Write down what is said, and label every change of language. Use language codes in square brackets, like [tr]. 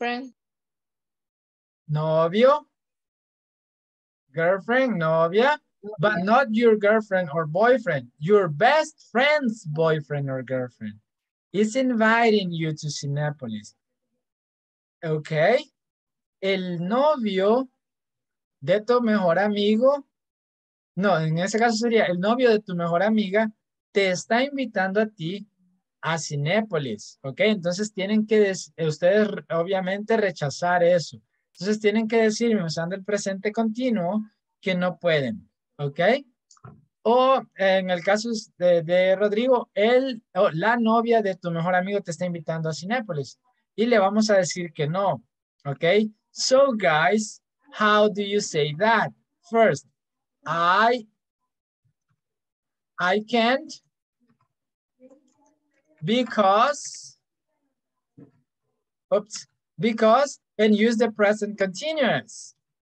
[en] Boyfriend, novio, girlfriend, novia, but not your girlfriend or boyfriend, your best friend's boyfriend or girlfriend is inviting you to Cinépolis. [es] Okay, el novio de tu mejor amigo, no, en ese caso sería el novio de tu mejor amiga te está invitando a ti a Cinépolis, ok, entonces tienen que, ustedes obviamente rechazar eso, entonces tienen que decirme usando el presente continuo que no pueden, ok, o en el caso de Rodrigo, él o la novia de tu mejor amigo te está invitando a Cinépolis y le vamos a decir que no, ok. [en] So guys, how do you say that? First, I can't because, and use the present continuous.